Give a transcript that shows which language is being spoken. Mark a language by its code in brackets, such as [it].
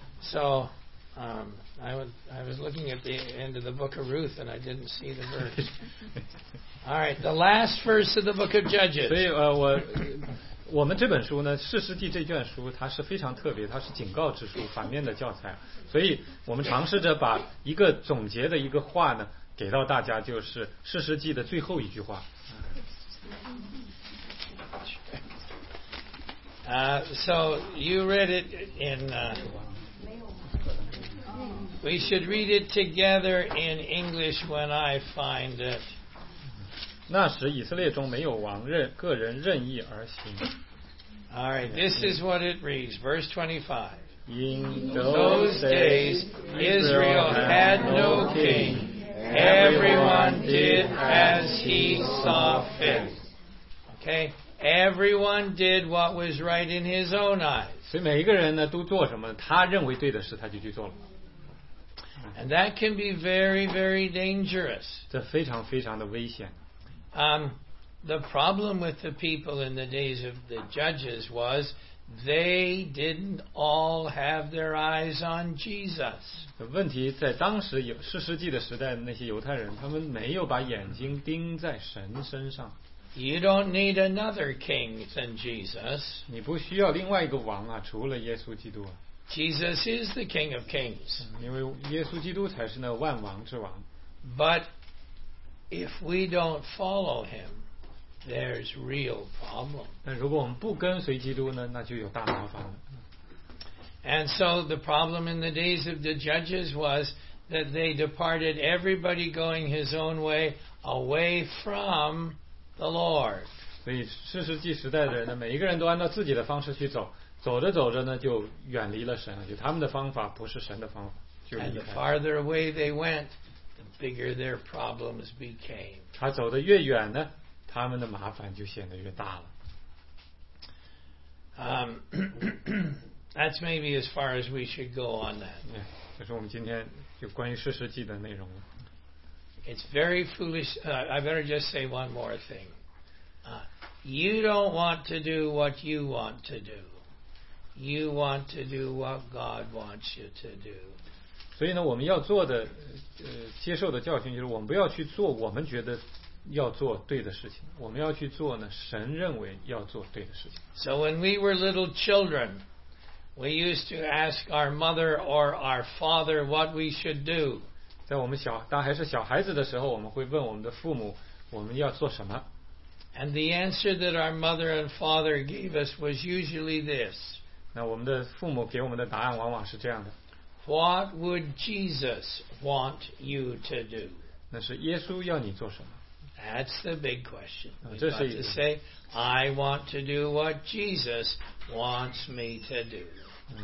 [en] So, I was looking at the end of the book of Ruth and I didn't see the verse. All right, the last verse of the book of Judges. [zh] 所以我我们这本书呢，《士师地》这卷书，它是非常特别，它是警告之书，反面的教材。所以我们尝试着把一个总结的一个话呢，给到大家，就是《士师地》的最后一句话。 [en] So you read it in. We should read it together in English when I find it. [zh] 那时以色列中没有王任个人任意而行。 [en] All right, this is what it reads, verse 25. In those days, Israel had no king. Everyone did as he saw fit. Okay, everyone did what was right in his own eyes. [zh] 所以每一个人呢都做什么，他认为对的事，他就去做了。 [en] And that can be very, very dangerous. [zh] 这非常非常的危险。 [en] The problem with the people in the days of the judges was they didn't all have their eyes on Jesus. [zh] 问题在当时有士师记的时代的那些犹太人，他们没有把眼睛盯在神身上。 [en] You don't need another king than Jesus. [zh] 你不需要另外一个王啊，除了耶稣基督啊。 [en] Jesus is the King of Kings. [zh] 因为耶稣基督才是那万王之王。 [en] But if we don't follow him, there's real problem. [zh] 但如果我们不跟随基督呢，那就有大麻烦了。 [en] And so the problem in the days of the judges was that they departed, everybody going his own way, away from the Lord. [zh] 所以士师记时代的人呢，每一个人都按照自己的方式去走。走着走着呢，就远离了神，就他们的方法不是神的方法，就离开。 [en] And the farther away they went, the bigger their problems became. [zh] 他走得越远呢，他们的麻烦就显得越大了。 [en] that's maybe as far as we should go on that. [zh] 这是我们今天就关于士师记的内容。 [en] It's very foolish. I better just say one more thing. You don't want to do what you want to do. You want to do what God wants you to do. [zh] 所以呢，我们要做的，接受的教训就是，我们不要去做我们觉得要做对的事情。我们要去做呢，神认为要做对的事情。 [en] So when we were little children, we used to ask our mother or our father what we should do. [zh] 在我们小当还是小孩子的时候，我们会问我们的父母，我们要做什么 [en] ？And the answer that our mother and father gave us was usually this. [zh] 那我们的父母给我们的答案往往是这样的。 [en] What would Jesus want you to do? [zh] 那是耶稣要你做什么 [en] ？That's the big question. [zh] 这是一个。 [en] To say, I want to do what Jesus wants me to do.